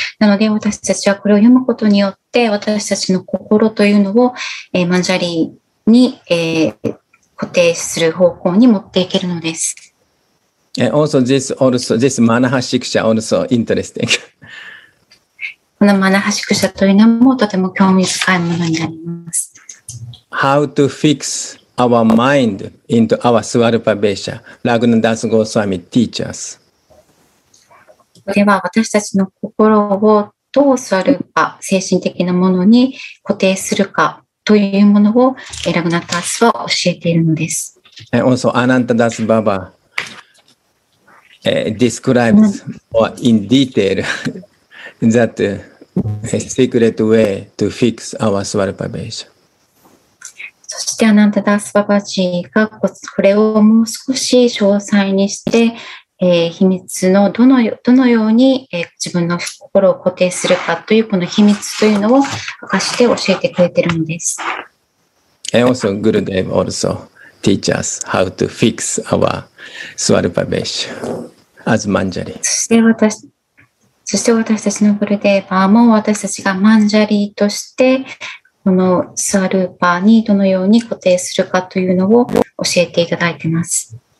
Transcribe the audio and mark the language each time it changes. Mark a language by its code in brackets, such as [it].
[ja] なので、私たちはこれを読むことによって、私たちの心というのを、マンジャリに、固定する方向に持っていけるのです。 [en] Also, this マナハシクシャ also interesting. [ja] このマナハシクシャというのもとても興味深いものになります。 [en] How to fix our mind into our Swarupa Besha, Raghunath Das Goswami teaches. [ja] では私たちの心をどう座るか、精神的なものに固定するかというものをエラグナタスは教えているのです。 [en] And also, Ananta Das Baba、describes、or in detail that、secret way to fix our Swarupa Bhesha。 [ja] そしてアナンタダスババジーがこれをもう少し詳細にして、秘密のどのように、自分の心を固定するかというこの秘密というのを明かして教えてくれているんです。 [en] And also Gurudev also teach us how to fix our Swarupa Bhesha as Manjari。 [ja] そして私たちのグルデーバーも私たちがマンジャリーとしてこのスワルーパーにどのように固定するかというのを教えていただいてます。